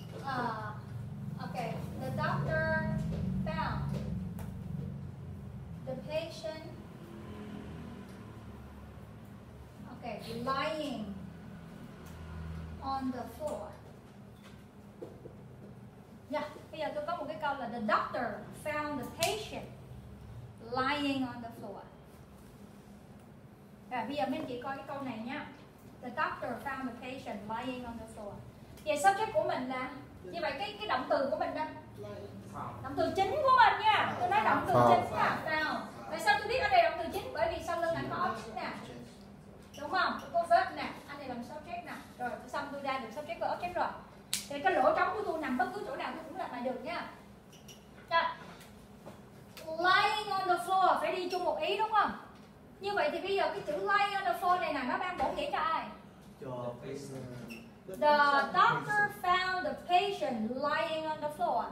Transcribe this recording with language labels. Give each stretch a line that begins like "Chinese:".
English: Okay, the doctor found the patient, okay, lying on the floor.
Vietnamese: Yeah, bây giờ tôi có một cái câu là
English: the doctor found the patient lying on the floor.
Vietnamese: Rồi, bây giờ mình chỉ coi cái câu này nha.
English: The doctor found the patient lying on the floor.
Vietnamese: Vậy subject của mình là như vậy, cái động từ của mình đó. Động từ chính của mình nha. Tôi nói động từ chính nha. Found. Tại sao tôi biết ở đây động từ chính? Bởi vì sau lưng anh có object nè. Đúng không? Tôi có verb nè. Anh này làm subject nè. Rồi xong tôi ra được subject và object rồi. Thì cái lỗ trống của tôi nằm bất cứ chỗ nào tôi cũng làm lại được nha.
English: Lying on the floor
Vietnamese: phải đi chung một ý đúng không? Như vậy thì bây giờ cái chữ
English: lying on the floor
Vietnamese: này nè, nó mang bổ nghĩa cho ai? Cho patient.
English: The doctor found the patient lying on the floor.